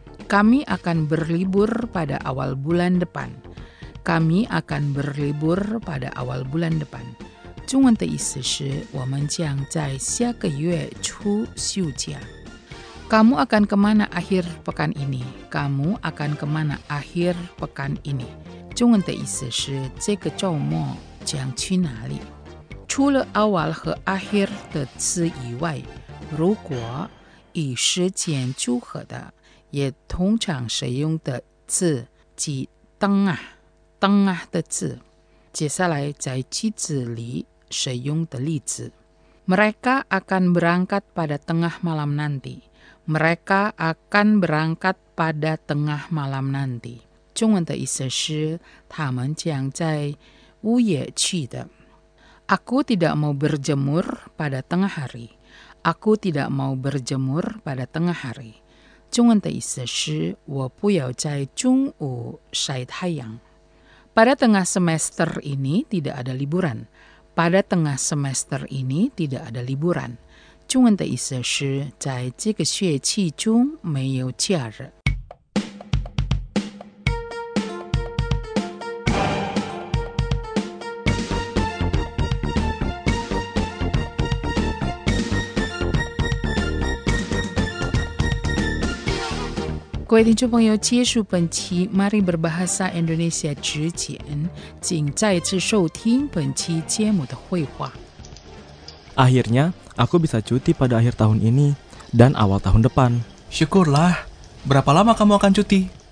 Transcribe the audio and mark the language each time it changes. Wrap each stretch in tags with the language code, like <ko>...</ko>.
<id>Kami akan berlibur pada awal bulan depan， kami akan berlibur pada awal bulan depan</id> <zh>中文的意思是我们将在下个月初休假。</zh> <id>Kamu akan kemana akhir pekan ini? Kamu akan kemana akhir pekan ini?</id> <zh>中文的意思是这个周末将去哪里？除了 awal 和 akhir 的词以外，如果以时间组合的，也通常使用的词即当啊的词。接下来在句子里使用的例子，</zh> <id>Mereka akan berangkat pada tengah malam nanti。 Mereka akan berangkat pada tengah malam nanti.</id> <zh>中文的意思是他们将在午夜去的。</zh> <id>Aku tidak mau berjemur pada tengah hari. Aku tidak mau berjemur pada tengah hari.</id> <zh>中文的意思是我不要在中午晒太阳。</zh> <id>Pada tengah semester ini tidak ada liburan. Pada tengah semester ini tidak ada liburan.</id> <zh>中文的意思是在这个学期中没有假日。各位听众朋友，结束本期</zh> <id>Mari Berbahasa Indonesia</id> <zh>之前，请再次收听本期节目的绘画。</zh> <id>Akhirnya, aku bisa cuti pada akhir tahun ini dan awal tahun depan. Syukurlah. Berapa lama kamu akan cuti?</id>